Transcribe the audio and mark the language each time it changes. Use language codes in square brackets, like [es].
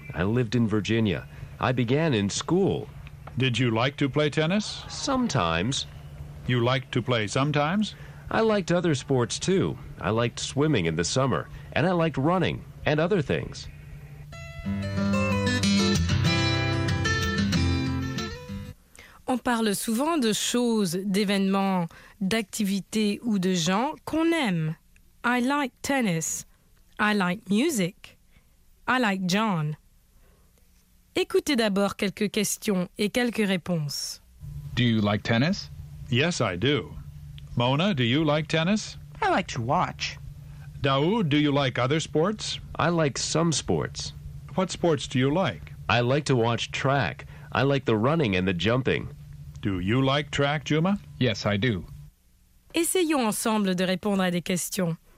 [en] I lived in Virginia. I began in school. Did you like to play tennis? Sometimes. You like to play sometimes? I liked other sports too. I liked swimming in the summer, and I liked running and other things. [fr] On parle souvent de choses, d'événements, d'activités ou de gens qu'on aime. [en] I like tennis. I like music. I like John. [fr] Écoutez d'abord quelques questions et quelques réponses. [en] Do you like tennis? Yes, I do. Mona, do you like tennis? I like to watch. Daoud, do you like other sports? I like some sports. What sports do you like? I like to watch track. I like the running and the jumping. Do you like track, Juma? Yes, I do. [fr] Essayons ensemble de répondre à des questions.